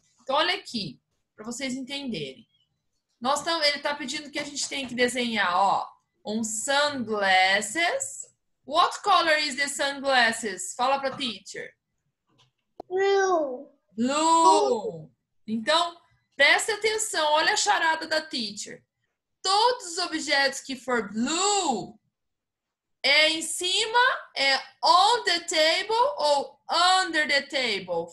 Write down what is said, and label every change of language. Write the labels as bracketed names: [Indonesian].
[Portuguese] Então, olha aqui, pra vocês entenderem. Ele tá pedindo que a gente tem que desenhar, ó, um sunglasses. [English] What color is the sunglasses? [Portuguese] Fala pra teacher. [English] Blue. Blue. [Portuguese] Então, preste atenção, olha a charada da teacher. Todos os objetos que for blue é em cima, é [English] on the table [Portuguese] ou [English] under the table?